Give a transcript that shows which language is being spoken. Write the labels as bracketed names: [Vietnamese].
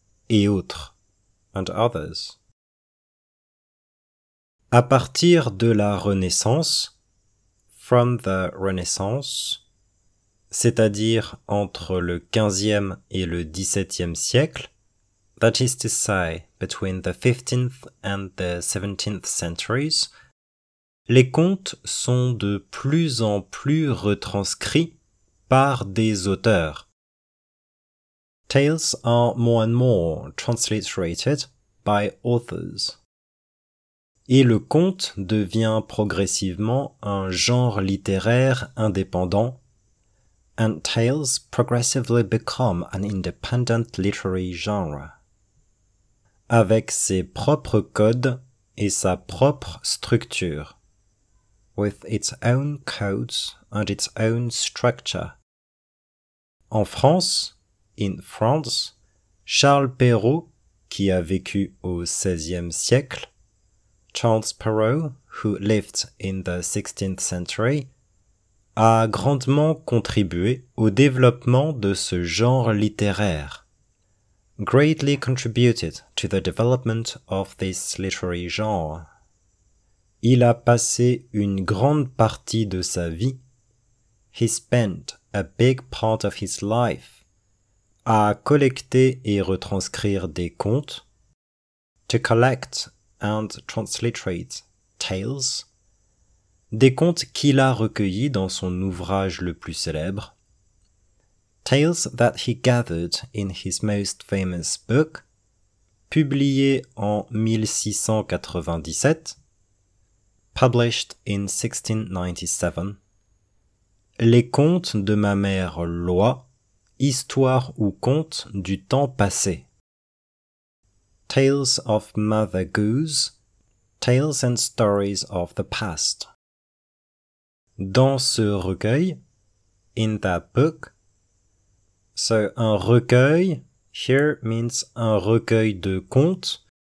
[French] Et autres. [English] And others. [French] À partir de la Renaissance, [English] from the Renaissance, [French] c'est-à-dire entre le 15e et le 17e siècle, [English] that is to say, between the 15th and the 17th centuries, [French] les contes sont de plus en plus retranscrits par des auteurs. [English] Tales are more and more transliterated by authors. [French] Et le conte devient progressivement un genre littéraire indépendant. [English] And tales progressively become an independent literary genre. [French] Avec ses propres codes et sa propre structure. [English] With its own codes and its own structure. [French] En France, [English] in France, [French] Charles Perrault, qui a vécu au XVIe siècle, [English] Charles Perrault, who lived in the 16th century, [French] a grandement contribué au développement de ce genre littéraire. [English] greatly contributed to the development of this literary genre. [French] Il a passé une grande partie de sa vie. [English] He spent a big part of his life [French] à collecter et retranscrire des contes, [English] to collect and transliterate tales, [French] des contes qu'il a recueillis dans son ouvrage le plus célèbre, [English] tales that he gathered in his most famous book, [French] publié en 1697, [English] published in 1697, [French] les contes de ma mère Loi, histoire ou conte du temps passé. [English] Tales of Mother Goose, tales and stories of the past. [French] Dans ce recueil, [English] in that book, [French] so un recueil, [English] here means [French] un recueil de contes,